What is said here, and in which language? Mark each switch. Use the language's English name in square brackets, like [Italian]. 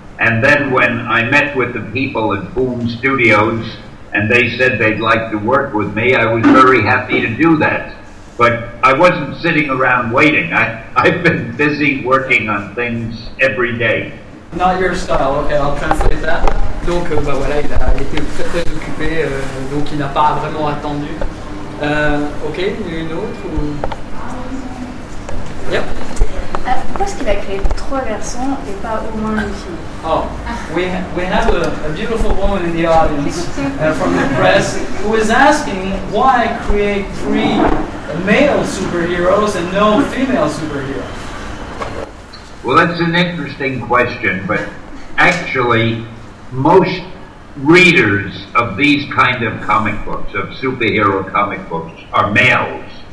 [English] And then when I met with the people at Boom Studios and they said they'd like to work with me, I was very happy to do that. But I wasn't sitting around waiting. I've been busy working on things every day. Not your style. Okay, I'll translate that. [French] Donc, voilà, il a été très occupé, donc il n'a pas vraiment attendu. [English] Okay, you know it? Or... Yep. [French] Pourquoi est-ce qu'il a créé trois garçons et pas au moins une fille? [English] Oh, we have a beautiful woman in the audience from the press who is asking why I create three male superheroes and no female superheroes. Well, that's an interesting question, but actually, most readers of these kind of comic books, of superhero comic books, are males.